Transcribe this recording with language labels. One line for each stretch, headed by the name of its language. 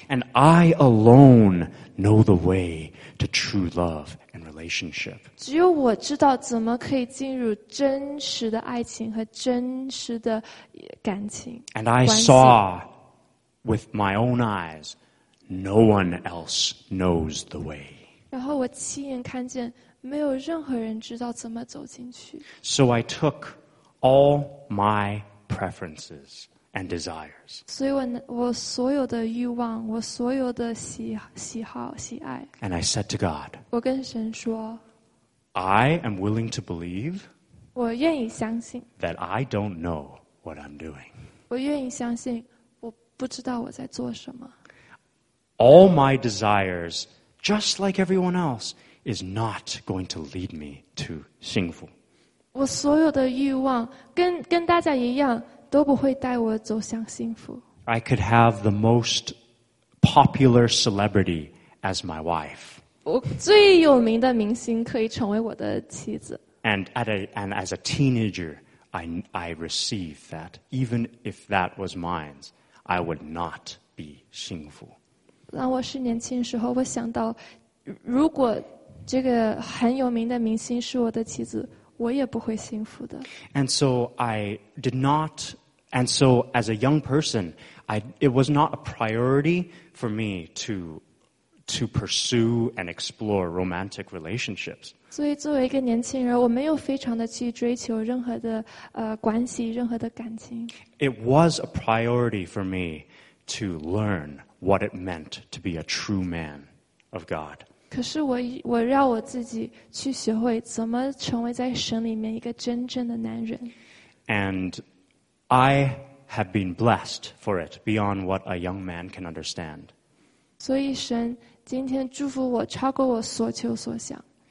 English: And I alone know the way to true love and relationship.
Chinese: 只有我知道怎么可以进入真实的爱情和真实的感情。
English: And I saw with my own eyes, no one else knows the way.
Chinese: 然后我亲眼看见没有任何人知道怎么走进去。
English: So I took all my preferences and desires.
Chinese: 所以我所有的欲望，我所有的喜好、喜爱。
English: And I said to God.
Chinese: 我跟神说。
English: I am willing to believe.
Chinese: 我愿意相信。
English: That I don't know what I'm doing.
Chinese: 我愿意相信我不知道我在做什么。
English: All my desires, just like everyone else, is not going to lead me to 幸福。
Chinese: 我所有的欲望跟大家一样都不会带我走向幸福。
English: I could have the most popular celebrity as my wife.
Chinese: 我最有名的明星可以成为我的妻子。
English: And as a teenager, I received that. Even if that was mine, I would not be 幸福。
Chinese: 当我是年轻时候，我想到，如果这个很有名的明星是我的妻子，我也不会幸福的。
English: And so I did not. And so as a young person, it was not a priority for me to pursue and explore romantic relationships.
Chinese: 所以作为一个年轻人，我没有非常的去追求任何的关系，任何的感情。
English: It was a priority for me to learn what it meant to be a true man of God.
Chinese: 可是我让我自己去学会怎么成为在神里面一个真正的男人。
English: And I have been blessed for it beyond what a young man can understand.
Chinese: 所以神今天祝福我超过我所求所想。